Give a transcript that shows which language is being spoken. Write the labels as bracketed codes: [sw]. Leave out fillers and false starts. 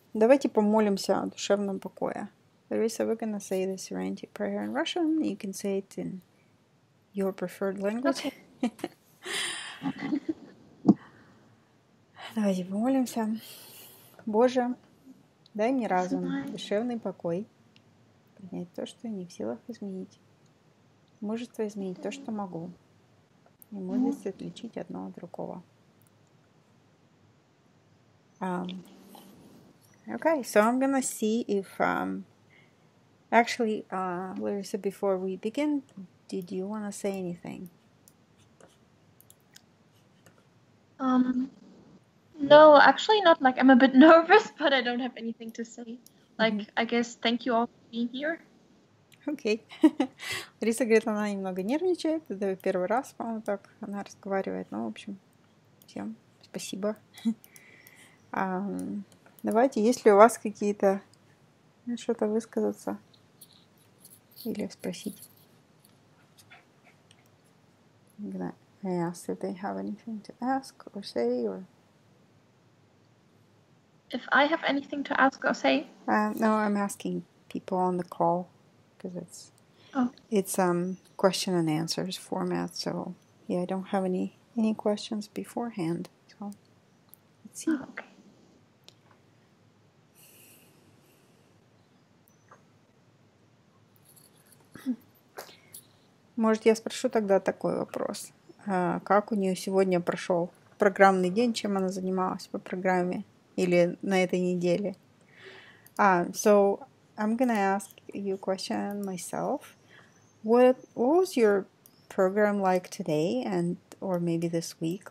[ru] Давайте помолимся о душевном покое. [en] Ларисса, we're gonna say the serenity prayer in Russian. You can say it in your preferred language. Okay. [ru] Давайте помолимся. Боже, дай мне разум, душевный покой. Принять то, что не в силах изменить. Мужество изменить то, что могу. И мудрость отличить одно от другого. [en] Okay, so I'm gonna see if Ларисса, before we begin, did you wanna say anything? No, actually not. Like, I'm a bit nervous, but I don't have anything to say. Like, mm-hmm. I guess thank you all for being here. Okay. [ru] Ларисса говорит, она немного нервничает. Это первый раз, по-моему, так она разговаривает. Ну, в общем, всем спасибо. Давайте, есть ли у вас какие-то что-то высказаться или спросить? [en] I ask if they have anything to ask or say, or if I have anything to ask or say? No, I'm asking people on the call because it's It's question and answers format. So yeah, I don't have any questions beforehand. So let's see. Oh, okay. [ru] Может, я спрошу тогда такой вопрос. Как у нее сегодня прошел программный день, чем она занималась по программе или на этой неделе? [en] So, I'm gonna ask you a question myself. What was your program like today and or maybe this week?